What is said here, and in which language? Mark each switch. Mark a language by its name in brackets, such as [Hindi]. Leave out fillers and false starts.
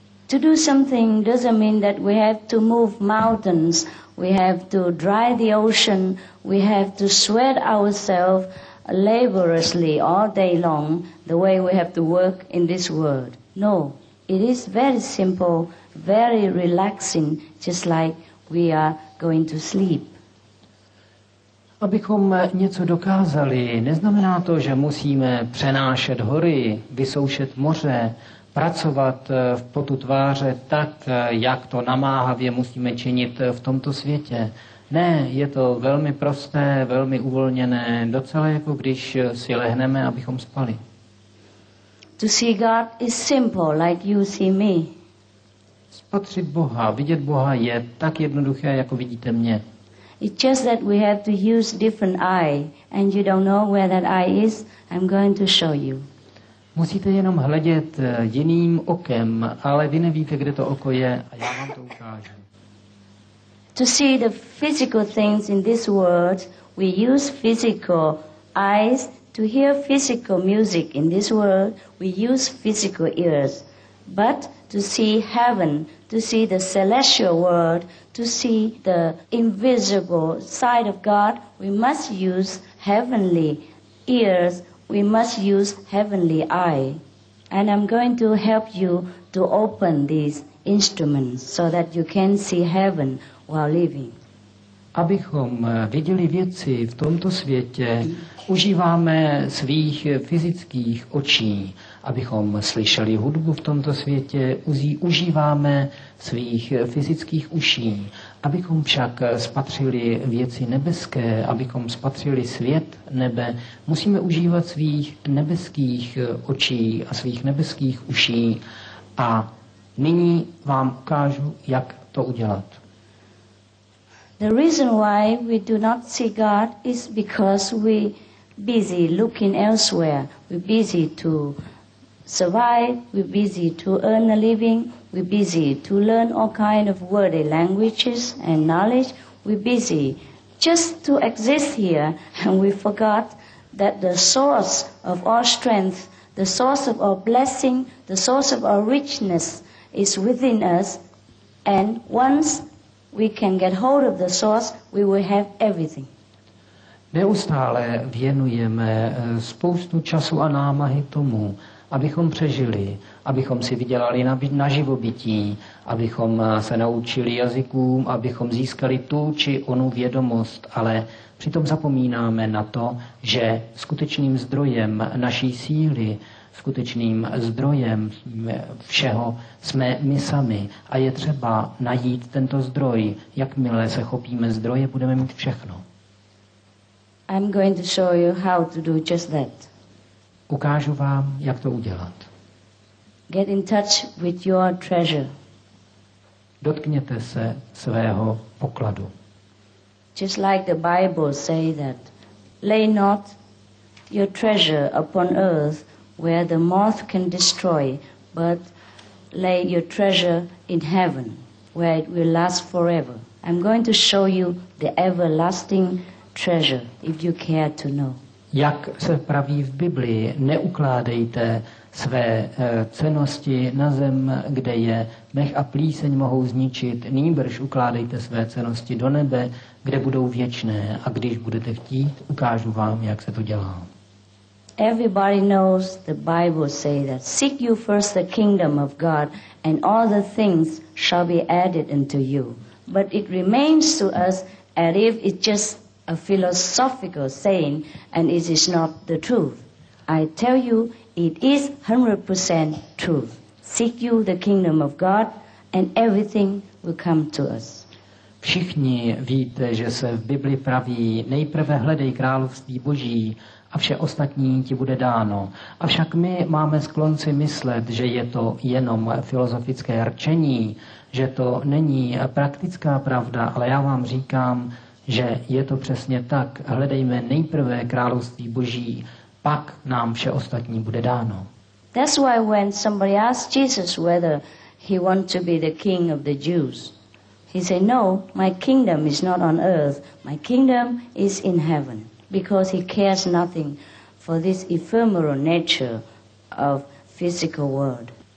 [English] To do something doesn't mean that we have to move mountains, we have to dry the ocean, we have to sweat ourselves laboriously all day long, the way we have to work in this world. No, it is very simple, very relaxing, just like we are going to sleep. [Czech] Abychom něco dokázali, neznamená to, že musíme přenášet hory, vysoušet moře, pracovat v potu tváře tak, jak to namáhavě musíme činit v tomto světě. Ne, je to velmi prosté, velmi uvolněné, docela jako když si lehneme, abychom spali. [English] To see God is simple, like you see me. [Czech] Spatřit Boha, vidět Boha je tak jednoduché, jako vidíte mě. [English] It's just that we have to use different eye, and you don't know where that eye is. I'm going to show you. [Czech] Musíte jenom hledět jiným okem, ale vy nevíte, kde to oko je, a já vám to ukážu. [English] To see the physical things in this world, we use physical eyes. To hear physical music in this world, we use physical ears. But to see heaven, to see the celestial world, to see the invisible side of God, we must use heavenly ears, we must use heavenly eye. And I'm going to help you to open these instruments so that you can see heaven while living. [Czech] Abychom viděli věci v tomto světě, užíváme svých fyzických očí. Abychom slyšeli hudbu v tomto světě, užíváme svých fyzických uší. Abychom však spatřili věci nebeské, abychom spatřili svět nebe, musíme užívat svých nebeských očí a svých nebeských uší. A nyní vám ukážu, jak to udělat. [English] The reason why we do not see God is because we busy looking elsewhere. We busy to survive, we're busy to earn a living, we're busy to learn all kind of worldly languages and knowledge, we're busy just to exist here, and we forgot that the source of all strength, the source of all blessing, the source of all richness is within us, and once we can get hold of the source, we will have everything. [Czech] Neustále věnujeme spoustu času a námahy tomu, abychom přežili, abychom si vydělali na živobytí, abychom se naučili jazykům, abychom získali tu či onu vědomost, ale přitom zapomínáme na to, že skutečným zdrojem naší síly, skutečným zdrojem všeho jsme my sami a je třeba najít tento zdroj. Jakmile se chopíme zdroje, budeme mít všechno. [English] I'm going to show you how to do just that. [Czech] Ukážu vám, jak to udělat. [English] Get in touch with your treasure. [Czech] Dotkněte se svého pokladu. [English] Just like the Bible say that, lay not your treasure upon earth where the moth can destroy, but lay your treasure in heaven where it will last forever. I'm going to show you the everlasting treasure if you care to know. [Czech] Jak se praví v Biblii, neukládejte své cennosti na zem, kde je mech a plíseň mohou zničit, nýbrž ukládejte své cennosti do nebe, kde budou věčné, a když budete chtít, ukážu vám, jak se to dělá. [English] Everybody knows the Bible say that seek you first the kingdom of God and all the things shall be added unto you. But it remains to us as if it's just a philosophical saying and it is not the truth. I tell you, it is 100% truth. Seek you the kingdom of God and everything will come to us. [Czech] Všichni víte, že se v Bibli praví, nejprve hledej království Boží a vše ostatní ti bude dáno. Avšak my máme sklon si myslet, že je to jenom filozofické rčení, že to není praktická pravda, ale já vám říkám, že je to přesně tak. Hledejme nejprve království Boží, pak nám vše ostatní bude dáno. [English] That's why when somebody asked Jesus whether he wanted to be the king of the Jews, he said, no, my kingdom is not on earth, my kingdom is in heaven. Because he cares nothing for this ephemeral nature of physical world.